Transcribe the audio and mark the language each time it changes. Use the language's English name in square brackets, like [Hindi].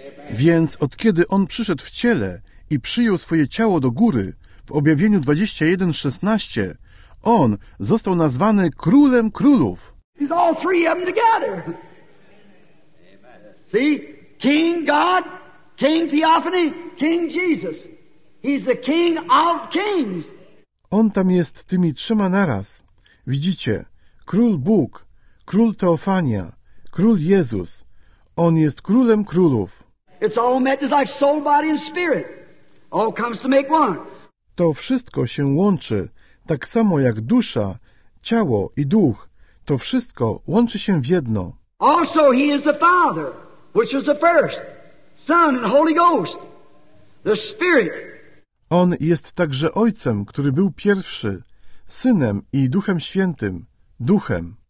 [Polish] Więc od kiedy on przyszedł w ciele i przyjął swoje ciało do góry w objawieniu 21:16, on został nazwany Królem Królów. [English] He's all three of them together. See? King God, King Theophany, King Jesus. He's the King of Kings. [Polish] On tam jest tymi trzema naraz. Widzicie? Król Bóg, Król Teofania, Król Jezus. On jest Królem Królów. [English] It's all met as like soul, body and spirit. All comes to make one. [Polish] To wszystko się łączy. Tak samo jak dusza, ciało i duch, to wszystko łączy się w jedno. [English] Also he is the Father, which was the first, Son and Holy Ghost, the Spirit. [Polish] On jest także Ojcem, który był pierwszy, Synem i Duchem Świętym, Duchem.